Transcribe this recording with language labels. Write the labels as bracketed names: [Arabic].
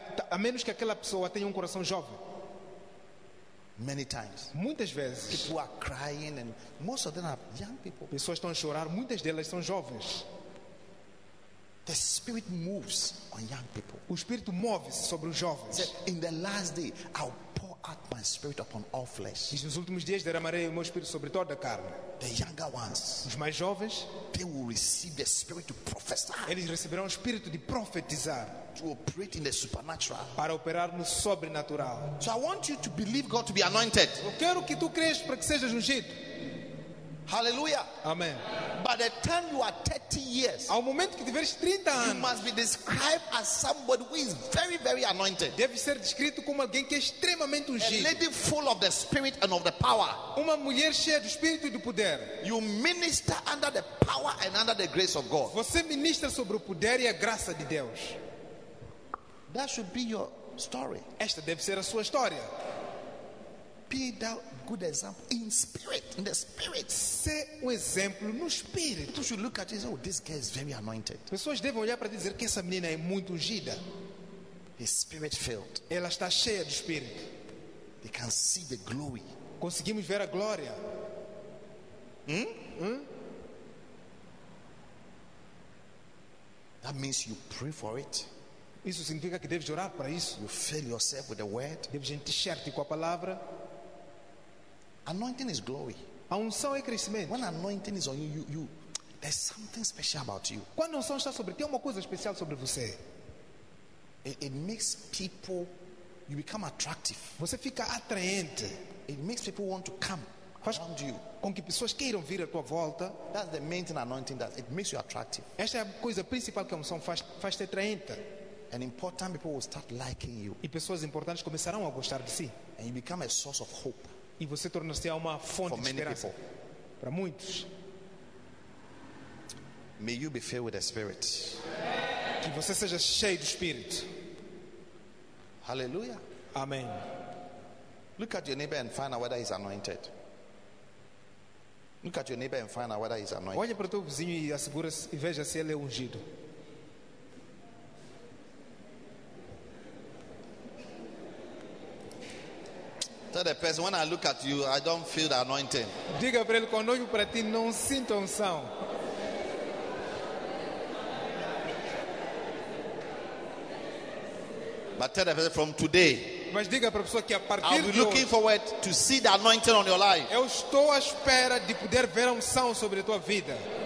[Portuguese] A menos que aquela pessoa tenha coração jovem. [English] Many times. [Portuguese] Muitas vezes. [English] People are crying and most of them are young people. [Portuguese] Pessoas estão a chorar, muitas delas são jovens. [English] The Spirit moves on young people. [Portuguese] O Espírito move-se sobre os jovens. [English] In the last day, I'll pour out my Spirit upon all flesh. [Portuguese] E nos últimos dias derramarei o meu Espírito sobre toda a carne. [English] The younger ones. [Portuguese] Os mais jovens. [English] They will receive the Spirit to prophesy. [Portuguese] Eles receberão o Espírito de profetizar. [English] To operate in the supernatural. [Portuguese] Para operar no sobrenatural. [English] So I want you to believe God to be anointed. [Portuguese] Eu quero que tu creias para que sejas ungido. [English] Hallelujah. [Portuguese] Amen. [English] By the time you are 30 years, [Portuguese] ao momento que tiveres 30 anos, [English] you must be described as somebody who is very, very anointed. [Portuguese] Deve ser descrito como alguém que é extremamente ungido. [English] A lady full of the Spirit and of the power. [Portuguese] Uma mulher cheia do Espírito e do poder. [English] You minister under the power and under the grace of God. [Portuguese] Você ministra sobre o poder e a graça de Deus. [English] That should be your story. [Portuguese] Esta deve ser a sua história. [English] Be thou good example in spirit, in the spirit. [Portuguese] Se o exemplo no espírito. [English] People should look at you and say, oh, this girl is very anointed. [Portuguese] Pessoas devem olhar para ti e dizer que essa menina é muito ungida. [English] Is spirit filled. [Portuguese] Ela está cheia do espírito. [English] They can see the glory. [Portuguese] Conseguimos ver a glória. [English] That means you pray for it. [Portuguese] Isso significa que deves orar para isso. [English] You fill yourself with the word. [Portuguese] Deves encher-te com a palavra. [English] Anointing is glory. [Portuguese] A unção é crescimento. [English] When anointing is on you, there's something special about you. [Portuguese] Quando a unção está sobre ti, há uma coisa especial sobre você. [English] It makes people, you become attractive. [Portuguese] Você fica atraente. [English] It makes people want to come. [Portuguese] Faz [English] around you. [Portuguese] Com que pessoas queiram vir à tua volta. [English] That's the main thing anointing does. It makes you attractive. [Portuguese] Essa é a coisa principal que a unção faz te atraente. [English] And important people will start liking you. [Portuguese] E pessoas importantes começarão a gostar de si. [English] And you become a source of hope. [Portuguese] E você torna-se uma fonte de esperança para muitos. [English] May you be filled with the Spirit. [Portuguese] Que você seja cheio do Espírito. [English] Hallelujah. [Portuguese] Amém. [English] Look at your neighbor and find out whether he's anointed. Look at your neighbor and find out whether he's anointed. [Portuguese] Olhe para o teu vizinho e assegure-se e veja se ele é ungido. [English] Tell the person, when I look at you, I don't feel the anointing. [Portuguese] Diga para ele, quando olho para ti, não sinto unção. [English] But tell the person, from today, [Portuguese] mas diga para a pessoa que a partir de hoje, [English] I'll be looking forward to see the anointing on your life. [Portuguese] Eu estou à espera de poder ver a unção sobre a tua vida.